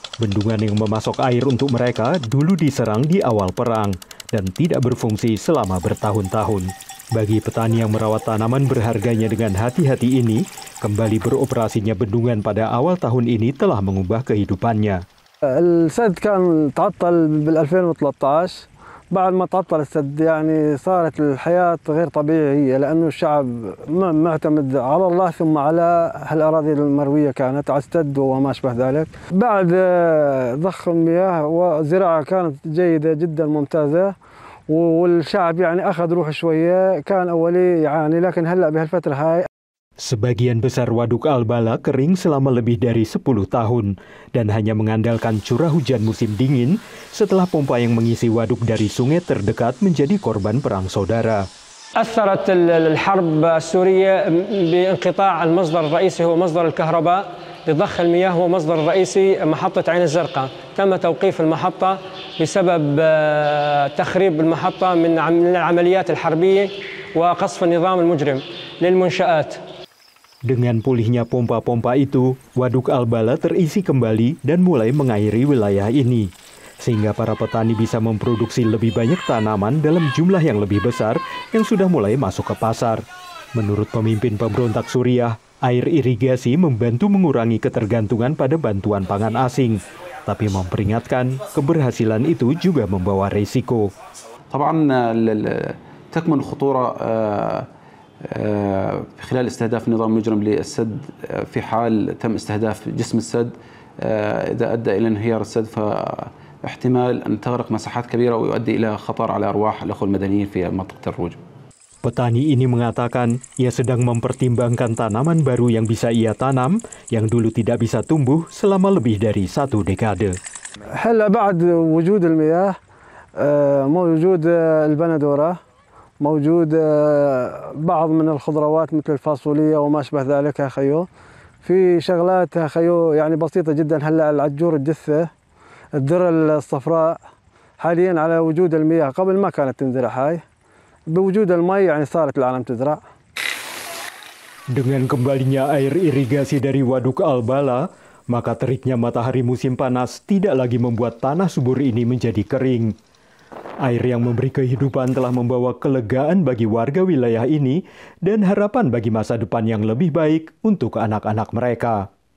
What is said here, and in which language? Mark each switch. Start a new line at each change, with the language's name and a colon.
Indonesian: Bendungan yang memasok air untuk mereka dulu diserang di awal perang dan tidak berfungsi selama bertahun-tahun. Bagi petani yang merawat tanaman berharganya dengan hati-hati ini, kembali beroperasinya bendungan pada awal tahun ini telah mengubah kehidupannya.
Arabic: السد كان تعطل بال 2013 بعد ما تعطل السد يعني صارت الحياة غير طبيعية لأنه الشعب معتمد على الله ثم على هالأراضي المروية كانت على السد وما أشبه ذلك بعد ضخ المياه والزراعة كانت جيدة جدا ممتازة والشعب يعني أخذ روح شوية كان أولي يعاني لكن هلأ بهالفترة هاي
Indonesian: Sebagian besar Waduk Albala kering selama lebih dari 10 tahun dan hanya mengandalkan curah hujan musim dingin setelah pompa yang mengisi waduk dari sungai terdekat menjadi korban perang saudara.
Arabic: أثرت الحرب السورية بانقطاع المصدر الرئيسي هو مصدر الكهرباء لضخ المياه هو مصدر الرئيسي محطة عين الزرقاء تم توقيف المحطة بسبب تخريب المحطة من العمليات الحربية وقصف النظام المجرم للمنشآت.
Indonesian: Dengan pulihnya pompa-pompa itu, Waduk Albala terisi kembali dan mulai mengairi wilayah ini. Sehingga para petani bisa memproduksi lebih banyak tanaman dalam jumlah yang lebih besar yang sudah mulai masuk ke pasar. Menurut pemimpin pemberontak Suriah, air irigasi membantu mengurangi ketergantungan pada bantuan pangan asing. Tapi memperingatkan, keberhasilan itu juga membawa risiko.
Arabic: طبعاً تكمن خطورة خلال استهداف نظام مجرم للسد في حال تم استهداف جسم السد إذا أدى إلى انهيار السد فاحتمال أن تغرق مساحات كبيرة ويؤدي إلى خطر على أرواح الأخوة المدنيين في منطقة الروج.
Indonesian: Petani ini mengatakan ia sedang mempertimbangkan tanaman baru yang bisa ia tanam yang dulu tidak bisa tumbuh selama lebih dari satu dekade.
Arabic: هلا بعد وجود المياه موجود البندورة موجود بعض من الخضروات مثل الفاصوليا وما أشبه ذلك أخيو في شغلات أخيو يعني بسيطة جدا هلا العجور الدثة الذرة الصفراء حاليا على وجود المياه قبل ما كانت تنزرع هاي بوجود الماء يعني صارت العالم تزرع.
Indonesian: Dengan kembalinya air irigasi dari Waduk Albala, maka teriknya matahari musim panas tidak lagi membuat tanah subur ini menjadi kering. Air yang memberi kehidupan telah membawa kelegaan bagi warga wilayah ini dan harapan bagi masa depan yang lebih baik untuk anak-anak mereka.